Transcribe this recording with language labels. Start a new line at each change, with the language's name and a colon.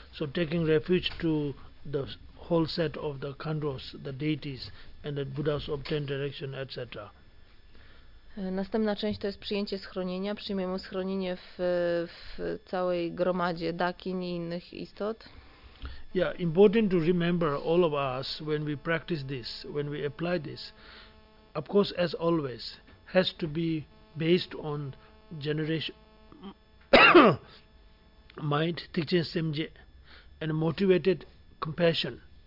English: So taking refuge to the whole set of the Khandvas, the deities, and the Buddha's obtained direction, etc.
Polish: Następna część to jest przyjęcie schronienia. Przyjmiemy schronienie w całej gromadzie dakin i innych istot.
English: Yeah, important to remember all of us when we practice this, when we apply this, of course, as always, has to be based on generation mind, Thichen Semje, and motivated compassion.